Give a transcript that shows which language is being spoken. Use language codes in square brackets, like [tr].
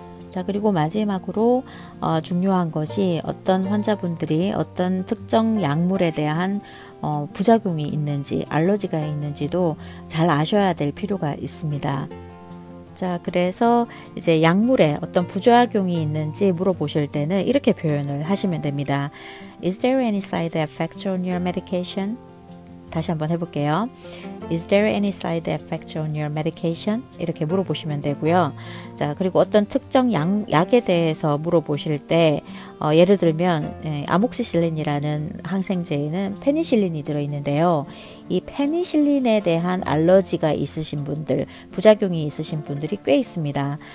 [ko] 자, 그리고 마지막으로 중요한 것이 어떤 환자분들이 어떤 특정 약물에 대한 부작용이 있는지 알러지가 있는지도 잘 아셔야 될 필요가 있습니다. 자, 그래서 이제 약물에 어떤 부작용이 있는지 물어보실 때는 이렇게 표현을 하시면 됩니다. [en] Is there any side effect on your medication? [ko] 다시 한번 해볼게요. [en] Is there any side effect on your medication? [ko] 이렇게 물어보시면 되고요. 자, 그리고 어떤 특정 약에 대해서 물어보실 때 예를 들면 아목시실린이라는 항생제에는 페니실린이 들어있는데요. 이 페니실린에 대한 알러지가 있으신 분들, 부작용이 있으신 분들이 꽤 있습니다.